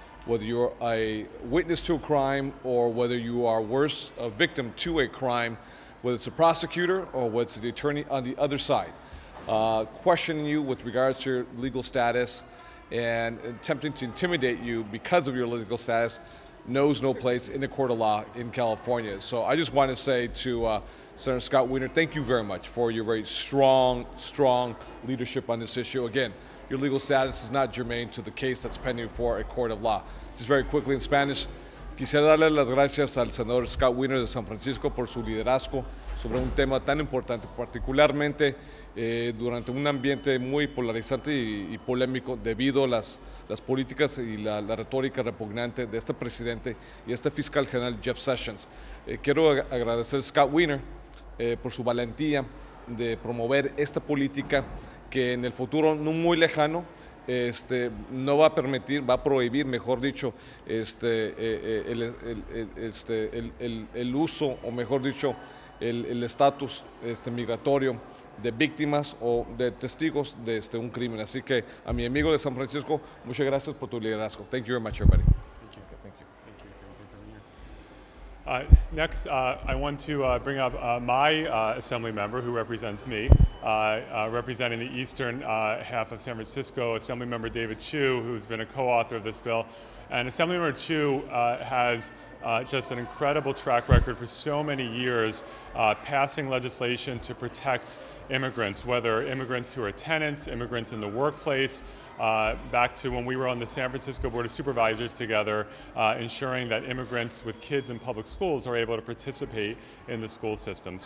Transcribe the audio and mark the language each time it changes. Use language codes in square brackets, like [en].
[en] Whether you're a witness to a crime or whether you are worse, a victim to a crime, whether it's a prosecutor or whether it's the attorney on the other side, questioning you with regards to your legal status and attempting to intimidate you because of your legal status knows no place in the court of law in California. So I just want to say to Senator Scott Wiener, thank you very much for your very strong, strong leadership on this issue. Again, your legal status is not germane to the case that's pending before a court of law. Just very quickly in Spanish, [es] quisiera darle las gracias al senador Scott Wiener de San Francisco por su liderazgo sobre un tema tan importante, particularmente durante un ambiente muy polarizante y polémico debido a las políticas y la retórica repugnante de este presidente y este fiscal general Jeff Sessions. Quiero agradecer a Scott Wiener por su valentía de promover esta política que en el futuro no muy lejano no va a permitir, va a prohibir, mejor dicho, el uso o mejor dicho el estatus migratorio de víctimas o de testigos de un crimen. Así que a mi amigo de San Francisco, muchas gracias por tu liderazgo. [en] Thank you very much, everybody. Next, I want to bring up my assembly member who represents me, representing the eastern half of San Francisco, Assemblymember David Chu, who's been a co-author of this bill. And Assemblymember Chu has just an incredible track record for so many years passing legislation to protect immigrants, whether immigrants who are tenants, immigrants in the workplace, back to when we were on the San Francisco Board of Supervisors together, ensuring that immigrants with kids in public schools are able to participate in the school system.